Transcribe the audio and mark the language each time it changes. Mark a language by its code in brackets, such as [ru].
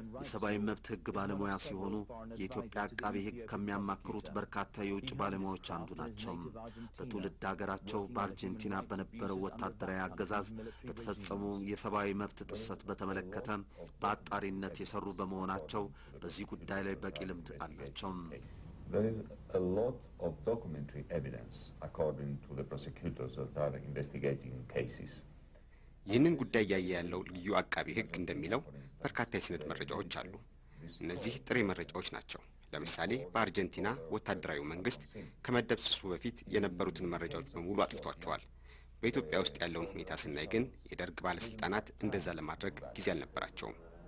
[am] የሰባዊ መብት ህግ ባለሙያ ሲሆኑ የኢትዮጵያ አቃቢ ህግ ከሚያማክሩት በርካታ የውጭ ባለሙያዎች አንዱ ናቸው በትውልድ ሀገራቸው በአርጀንቲና በነበረው ወታደራዊ አገዛዝ በተፈጸሙ የሰባዊ መብት ጥሰት በተመለከተ በአጣሪነት የሰሩ በመሆናቸው በዚህ ጉዳይ ላይ በቂ ልምድ አላቸው [en] There is a lot of documentary evidence according to the prosecutors that are investigating cases. [am] ይህንን ጉዳይ ያያያለው ልዩ አቃቢ ህግ እንደሚለው በርካታ የሰነድ መረጃዎች አሉ። እነዚህ ጥሬ መረጃዎች ናቸው። ለምሳሌ በአርጀንቲና ወታደራዊ መንግስት ከመደብሰሱ በፊት የነበሩትን መረጃዎች በሙሉ አጥፍቷቸዋል። በኢትዮጵያ ውስጥ ያለውን ሁኔታ ስናይ ግን የደርግ ባለስልጣናት እንደዛ ለማድረግ ጊዜ አልነበራቸውም።